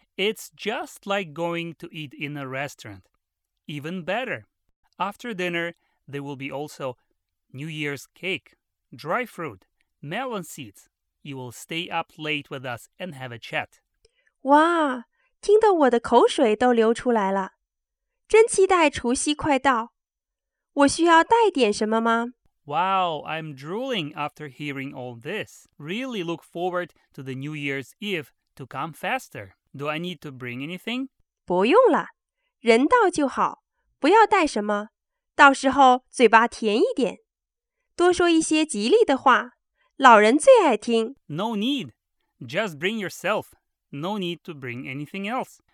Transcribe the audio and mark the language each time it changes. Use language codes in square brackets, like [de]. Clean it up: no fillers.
[en] It's just like going to eat in a restaurant. Even better. After dinner, there will be also New Year's cake, dry fruit, melon seeds. You will stay up late with us and have a chat. [zh] 哇，听得我的口水都流出来了，真期待除夕快到，我需要带点什么吗？ [en] Wow, I'm drooling after hearing all this. Really look forward to the New Year's Eve to come faster. Do I need to bring anything? [zh] 不用了，人到就好，不要带什么，到时候嘴巴甜一点，多说一些吉利的话，老人最爱听。 [en] No need, just bring yourself. No need to bring anything else.